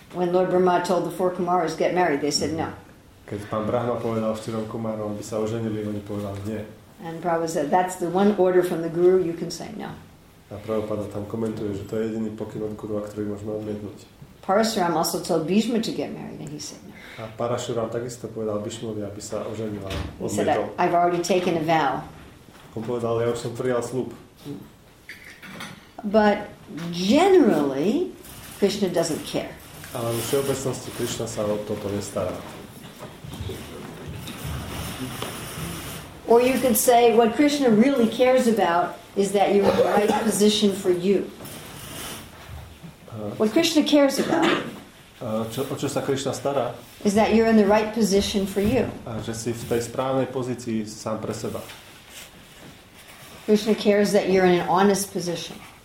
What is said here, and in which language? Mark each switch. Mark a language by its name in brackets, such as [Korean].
[English] When Lord Brahma told the four Kumaras get married, they said no. [Slovak] Keď pán Brahma povedal štyrom Kumarom, aby sa oženili, oni povedali nie. [English] And Prabhupada said, that's the one order from the guru, you can say no. [Slovak] A Prabhupada tam komentuje, že to je jediný pokyn od guru, ktorý môžeme odmietnúť. [English] Parashuram also told Bhishma to get married, and he said no. [Slovak] A Parashuram takisto povedal Bhishmovi, aby sa oženil, ale odmietol. [English] He said, I've already taken a vow. [Slovak] On povedal, ja už som prijal sľub. [English] But generally, Krishna doesn't care. [Slovak] Ale vo všeobecnosti Krishna sa o toto nestará. [English] Or you could say, what Krishna really cares about is that you're in the right position for you. What Krishna cares about [Slovak] o čo sa Krishna stará, [English] is that you're in the right position for you. [Slovak] Že si v tej správnej pozícii sám pre seba. [English] Krishna cares that you're in an honest position.